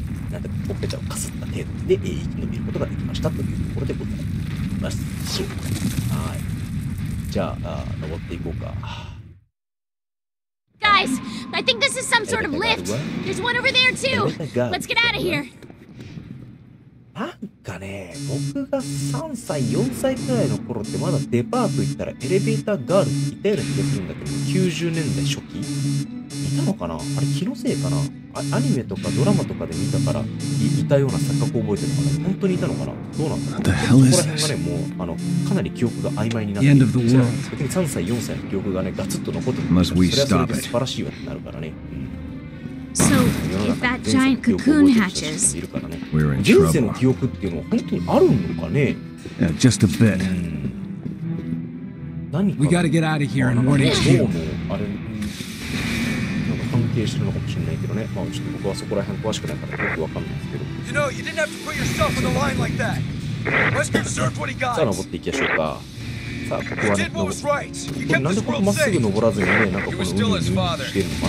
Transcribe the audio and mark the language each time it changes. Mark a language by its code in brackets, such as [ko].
[ja] なんでポッペちゃんをかすった程度で生き延びることができましたというところでございます。はい。じゃあ、登っていこうか。 [en] Guys, I think this is some sort of lift. There's one over there too. Let's get out of here. [ja] なんかね、僕が3歳、4歳くらいの頃ってまだデパート行ったらエレベーターガールいたような気がするんだけど、90年代初期。いたのかな、あれ気のせいかな、アニメとかドラマとかで見たから いたような錯覚を覚えてるのかな、本当にいたのかな、どうなんだろう。 [en] What the hell is this? [ja] ここら辺がね、もうかなり記憶が曖昧になっている別に3歳、4歳の記憶がね、ガツッと残ってる。 [en] Must we stop it? [ja] それはそれで素晴らしいわってなるからね。 [en] So, if that giant cocoon hatches, we're in trouble. [ja] 人生の記憶っていうのは本当にあるのかね。 [en] Yeah, just a bit. We gotta get out of here in one HQ. [ja] どうも、あれ関係してるのかもしれないけどね。まあちょっと僕はそこら辺詳しくないからよくわかんないですけど。 [en] You know, you didn't have to put yourself on the line like that. Wesker deserved what he got. [ja] さあ、登っていきましょうか。さあ、ここはね、登る。これなんでここまっすぐ登らずにね、なんかこの海に浮いてるのかなって ね。